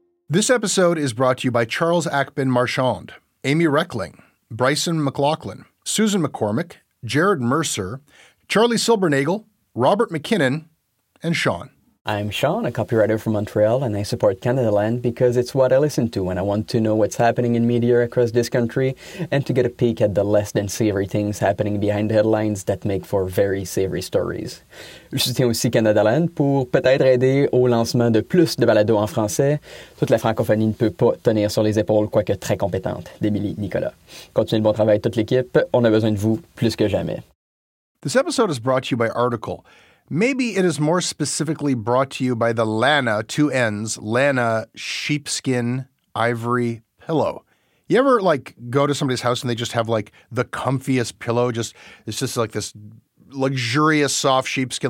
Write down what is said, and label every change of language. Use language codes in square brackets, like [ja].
[en] This episode is brought to you by Charles Ackman Marchand, Amy Reckling, Bryson McLaughlin, Susan McCormick, Jared Mercer, Charlie Silbernagel, Robert McKinnon, and Sean. I'm Sean, a copywriter from Montreal, and I support Canada Land because it's what I listen to when I want to know what's happening in media across this country and to get a peek at the less than savory things happening behind the headlines that make for very savory stories. [fr] Je soutiens aussi Canada Land pour peut-être aider au lancement de plus de balados en français. Toute la francophonie ne peut pas tenir sur les épaules, quoique très compétente, d'Émilie Nicolas. Continuez le bon travail, toute l'équipe. On a besoin de vous plus que jamais. [en] This episode is brought to you by Article. Maybe it is more specifically brought to you by the Lana, two N's, Lana sheepskin ivory pillow. You ever, like, go to somebody's house and they just have, like, the comfiest pillow? It's just, like, this luxurious soft sheepskin.